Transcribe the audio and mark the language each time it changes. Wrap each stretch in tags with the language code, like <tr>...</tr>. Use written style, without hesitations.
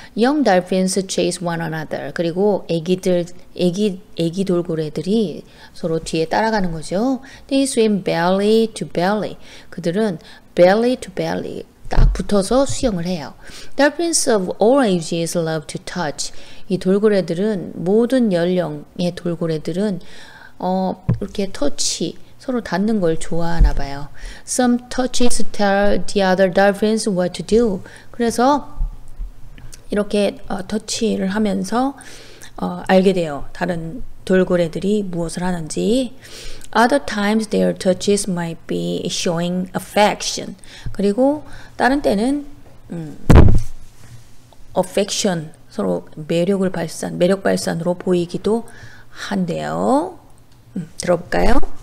<en>Young dolphins chase one another. 그리고 애기 돌고래들이 서로 뒤에 따라가는 거죠. They swim belly to belly. 그들은 belly to belly, 딱 붙어서 수영을 해요. Dolphins of all ages love to touch.</en> <ko>이 돌고래들은 모든 연령의 돌고래들은 이렇게 터치 서로 닿는 걸 좋아하나 봐요.</ko> <en>Some touches tell the other dolphins what to do.</en> <ko>그래서 이렇게 터치를 하면서 알게 돼요. 다른 돌고래들이 무엇을 하는지.</ko> <en>Other times their touches might be showing affection.</en> <ko>그리고 다른 때는 affection 서로 매력을 발산, 매력 발산으로 보이기도 한대요. 들어볼까요?</ko>